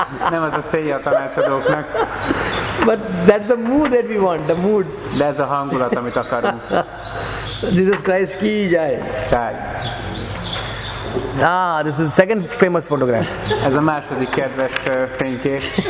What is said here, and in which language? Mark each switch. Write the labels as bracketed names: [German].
[Hungarian] Nem az a célja a tanácsadóknak. [English] But that's the mood that we want, the mood. [Hungarian] De ez a hangulat, amit akarunk. Jesus Christ ki jaj. Jaj. [English] Ah, this is the second famous photograph. [Hungarian] Ez a második kedves fénykép.